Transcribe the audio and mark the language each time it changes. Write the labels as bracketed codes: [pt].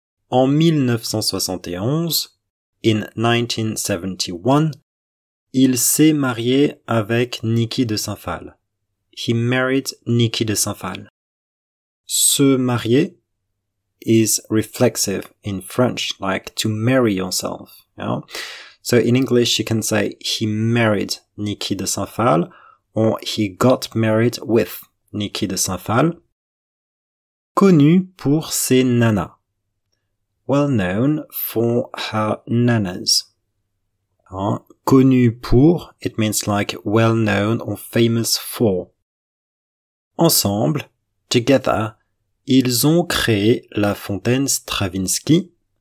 [fr] En 1971, [en] in 1971, [fr] il s'est marié avec Niki de Saint-Phalle. [en] He married Niki de Saint-Phalle. [fr] Se marier [en] is reflexive in French, like to marry yourself. You know? So in English, you can say he married Niki de Saint-Phalle or he got married with Niki de Saint-Phalle. [fr] Connu pour ses nanas. [en] Well known for her nanas. [fr] Connu pour, [en] it means like well known or famous for. [fr] Ensemble, [en] together, [fr] ils ont créé la fontaine Stravinsky.